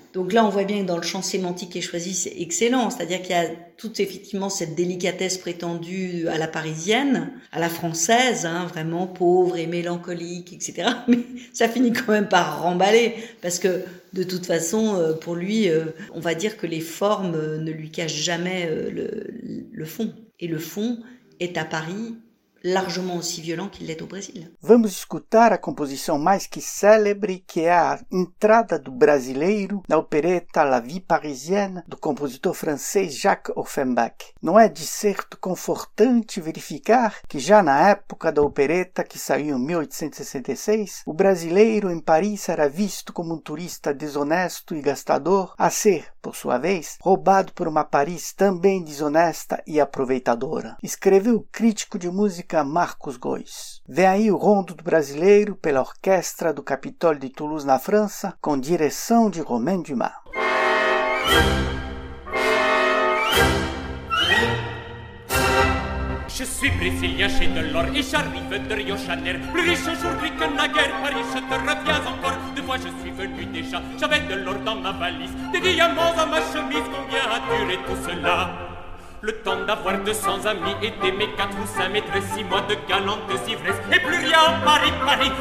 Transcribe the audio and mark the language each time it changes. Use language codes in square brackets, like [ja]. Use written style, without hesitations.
[fr] Donc là, on voit bien que dans le champ sémantique qui est choisi, c'est excellent. C'est-à-dire qu'il y a toute, effectivement, cette délicatesse prétendue à la parisienne, à la française, hein, vraiment pauvre et mélancolique, etc. Mais ça finit quand même par remballer, parce que de toute façon, pour lui, on va dire que les formes ne lui cachent jamais le fond. Et le fond est à Paris largement aussi violent qu'il l'est au Brésil. [pt] Vamos escutar a composição mais que célebre, que é a Entrada do Brasileiro na opereta La Vie Parisienne do compositor francês Jacques Offenbach. Não é de certo confortante verificar que já na época da opereta, que saiu em 1866, o brasileiro em Paris era visto como um turista desonesto e gastador, a ser, por sua vez, roubado por uma Paris também desonesta e aproveitadora. Escreveu o crítico de música Marcos Góis. Vem aí o Rondo do Brasileiro pela Orquestra do Capitólio de Toulouse na França, com direção de Romain Dumas. [fr] Je suis brésilien, j'ai de l'or et j'arrive de Rio Janeiro. Plus riche aujourd'hui que naguère, Paris, je te reviens encore. Deux fois je suis venu déjà, j'avais de l'or dans ma valise, des diamants dans ma chemise. Combien a duré tout cela? Le temps d'avoir 200 amis et d'aimer 4 ou 5 maîtres, 6 mois de galante ivresse et plus rien, Paris, Paris.